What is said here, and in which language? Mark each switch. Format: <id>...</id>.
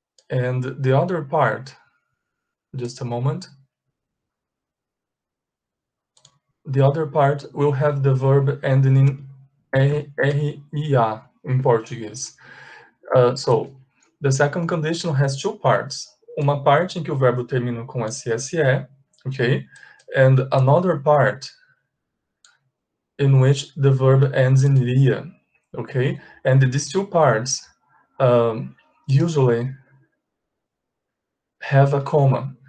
<en>And the other part, just a moment. The other part will have the verb ending in RIA in Portuguese. So, the second conditional has two parts.</en> <pt>Uma parte em que o verbo termina com SSE, ok?</pt> <en>And another part in which the verb ends in IA, ok? And these two parts usually have a comma.</en>